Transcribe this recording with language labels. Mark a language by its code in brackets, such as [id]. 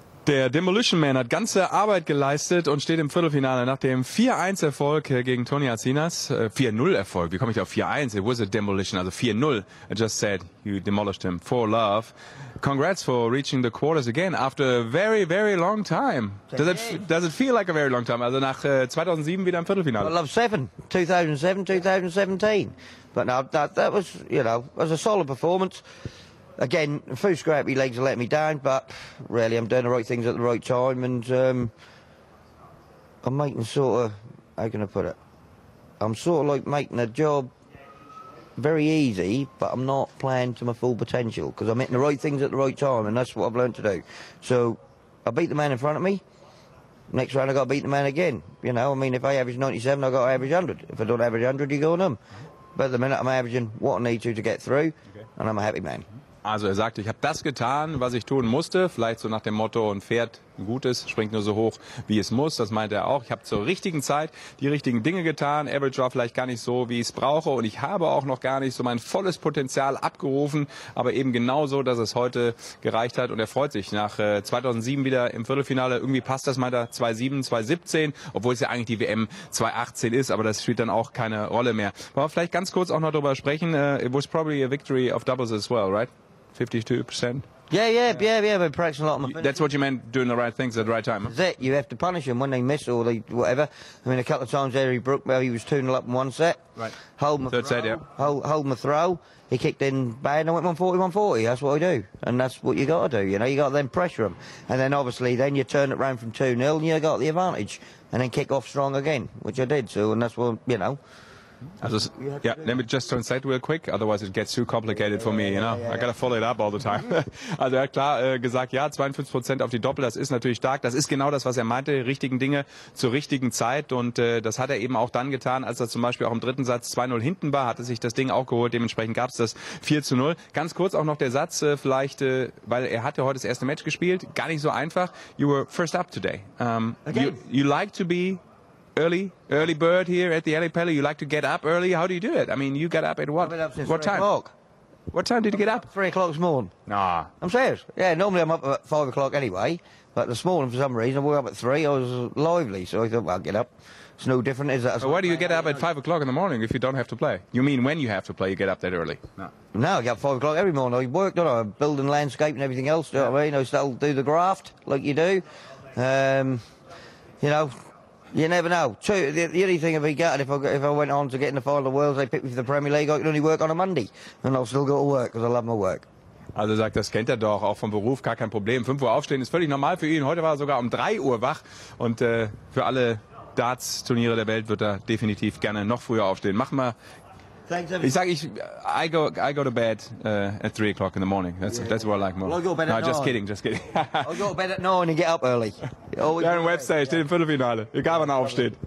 [de] Der Demolition Man hat ganze Arbeit geleistet und steht im Viertelfinale nach dem 4-1-Erfolg gegen Tony Atsinas. 4-0-Erfolg, wie komme ich auf 4-1? [en] It was a demolition, [de] also 4-0. [en] I just said you demolished him for love. Congrats for reaching the quarters again after a very, very long time. Does it feel like a very long time? [de] Also nach 2007 wieder im Viertelfinale. [en] Well, I love 2007, 2017. But no, that was, you know, was a solid performance. Again, a few scrappy legs have let me down, but really, I'm doing the right things at the right time, and I'm making sort of, how can I put it? I'm sort of like making a job very easy, but I'm not playing to my full potential, because I'm hitting the right things at the right time, and that's what I've learned to do. So, I beat the man in front of me. Next round, I've got to beat the man again. You know, I mean, if I average 97, I've got to average 100. If I don't average 100, you go on them. But at the minute, I'm averaging what I need to get through, and I'm a happy man. [de] Also er sagte, ich habe das getan, was ich tun musste. Vielleicht so nach dem Motto, ein Pferd gutes springt nur so hoch, wie es muss. Das meinte er auch. Ich habe zur richtigen Zeit die richtigen Dinge getan. Average war vielleicht gar nicht so, wie ich es brauche. Und ich habe auch noch gar nicht so mein volles Potenzial abgerufen. Aber eben genauso, dass es heute gereicht hat. Und er freut sich nach 2007 wieder im Viertelfinale. Irgendwie passt das, meinte er, 2007, 2017. Obwohl es ja eigentlich die WM 2018 ist. Aber das spielt dann auch keine Rolle mehr. Wollen wir vielleicht ganz kurz auch noch darüber sprechen. [en] It was probably a victory of doubles as well, right? 52%. Yeah, been practicing a lot on my finishing. That's what you meant, doing the right things at the right time. That's it. You have to punish them when they miss or they whatever. I mean, a couple of times there, he broke, well, he was 2-0 up in one set. Right. Hold my third throw. Set, yeah. Hold my throw. He kicked in bad and went 140-140. That's what I do. And that's what you got to do, you know. You got to then pressure him. And then, obviously, then you turn it round from 2-0 and you got the advantage. And then kick off strong again, which I did. So, and that's what, you know. Also, yeah, let me just translate real quick, otherwise it gets too complicated for me, you know. I gotta follow it up all the time. [de] Also er hat klar gesagt, ja, 52% auf die Doppel, das ist natürlich stark. Das ist genau das, was er meinte, richtigen Dinge zur richtigen Zeit. Und das hat er eben auch dann getan, als er zum Beispiel auch im dritten Satz 2-0 hinten war, hatte sich das Ding auch geholt. Dementsprechend gab es das 4-0. Ganz kurz auch noch der Satz, vielleicht, weil er hatte heute das erste Match gespielt, gar nicht so einfach. [en] You were first up today. You like to be... Early bird here at the Alley Pally. You like to get up early. How do you do it? I mean, you get up at what? I've been up since what 3 o'clock. What time did you get up? 3 o'clock this morning. Nah. I'm serious. Yeah, normally I'm up at 5 o'clock anyway. But this morning, for some reason, I woke up at 3. I was lively, so I thought, well, I'll get up. It's no different, is it? So why do you get up at 5 o'clock in the morning if you don't have to play? You mean when you have to play, you get up that early? No. No, I get up 5 o'clock every morning. I work, don't I? Building landscape and everything else, don't I mean? I still do the graft like you do. You know. You never know. The only thing I'd be gutted if I went on to get in the final of the Worlds, they picked me for the Premier League, I could only work on a Monday. And I'll still go to work, because I love my work. [de] Also sagt, das kennt er doch, auch vom Beruf, gar kein Problem. 5 Uhr aufstehen ist völlig normal für ihn. Heute war er sogar um 3 Uhr wach. Und für alle Darts-Turniere der Welt wird er definitiv gerne noch früher aufstehen. Mach mal. Ich sage, [en] I go to bed at 3 o'clock in the morning. That's what I like more. Well, I go to bed at nine. Just kidding, just kidding. I go to bed at 9 and get up early. [de] Darren Webster steht im Viertelfinale. Egal, wann er aufsteht.